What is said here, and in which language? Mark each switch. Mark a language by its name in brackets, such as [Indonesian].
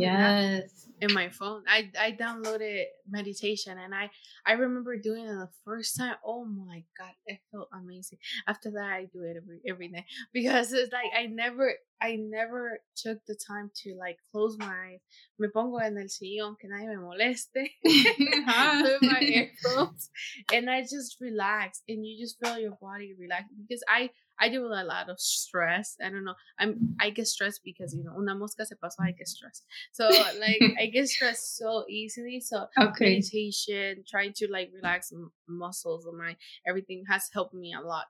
[English] yes. it in my phone. I downloaded meditation and I remember doing it the first time. Oh my God. It felt amazing. After that, I do it every day because it's like, I never took the time to like close my eyes. [Spanish] Me pongo en el sillón que nadie me moleste. [English] And I just relax and you just feel your body relax because I do a lot of stress. I don't know. I get stressed because, you know, [Spanish] una mosca se pasó, [English] I get stressed. So, like, I get stressed so easily. So, okay. Meditation, trying to, like, relax muscles of my everything has helped me a lot.